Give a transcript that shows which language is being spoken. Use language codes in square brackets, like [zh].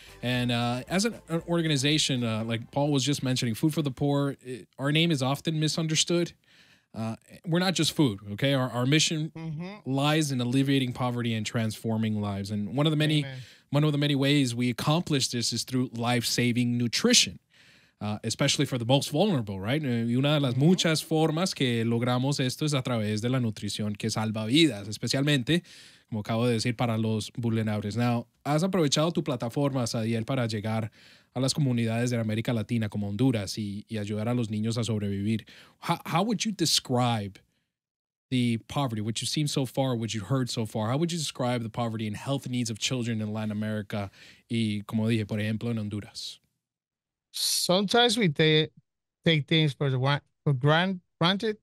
[en] And as an organization, like Paul was just mentioning, Food for the Poor, our name is often misunderstood. We're not just food, okay? Our mission lies in alleviating poverty and transforming lives. And one of the many ways we accomplish this is through life-saving nutrition, especially for the most vulnerable, right? [es] Y una de las muchas formas que logramos esto es a través de la nutrición que salva vidas, especialmente, como acabo de decir, para los vulnerables. Now, has aprovechado tu plataforma, Sadiel, para llegar a las comunidades de América Latina, como Honduras, y ayudar a los niños a sobrevivir. [en] How would you describe the poverty, which you've seen so far, which you've heard so far? How would you describe the poverty and health needs of children in Latin America [es] y, como dije, por ejemplo, en Honduras? [en] Sometimes we take things for granted.